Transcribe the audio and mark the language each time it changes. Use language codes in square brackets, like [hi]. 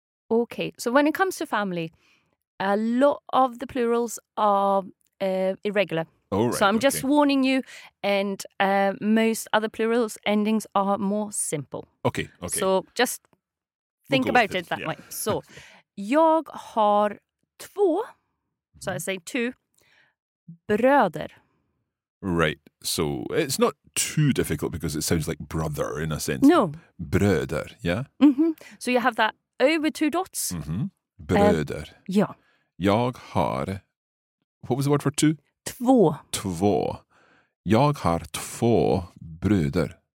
[en] Okay. So when it comes to family, a lot of the plurals are irregular. Oh, right. So I'm just warning you, and most other plurals endings are more simple. Okay, okay. So just think about it that way. So, [sv] jag har två, [en] so I say two, bröder. Right, so it's not too difficult because it sounds like brother in a sense. No. Bröder, yeah? Mm-hmm. So you have that over two dots. Mm-hmm. Bröder. Yeah. [sv] Jag har, [en] what was the word for two? [sv] Två. Två. Jag har två bröder.